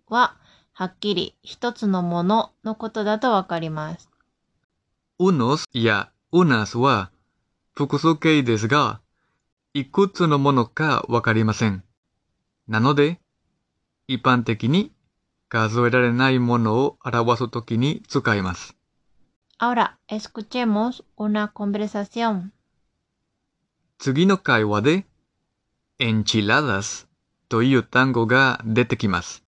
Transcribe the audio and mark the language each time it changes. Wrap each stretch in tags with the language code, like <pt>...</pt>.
<ja>は、はっきり、一つのもののことだとわかります。 unos や unas は、複数形ですが、いくつのものかわかりません。なので、一般的に、数えられないものを表すときに使います。</ja> <es>Ahora, escuchemos una conversación.</es> <ja>次の会話で、enchiladas という単語が出てきます。</ja>